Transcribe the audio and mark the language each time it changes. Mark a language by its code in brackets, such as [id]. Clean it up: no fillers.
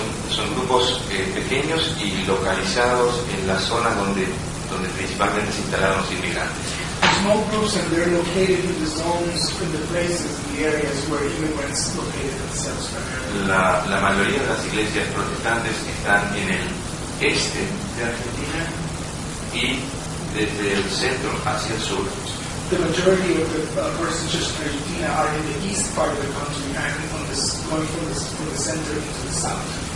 [es] Son grupos pequeños y localizados en la zona donde principalmente se instalaron los inmigrantes. [en] Small groups and they're located in the zones, in the places, in the areas where immigrants located themselves. [es] La mayoría de las iglesias protestantes están en el este de Argentina y desde el centro hacia el sur. [en] The majority of the Protestant churches in Argentina are in the east part of the country and going from the center to the south.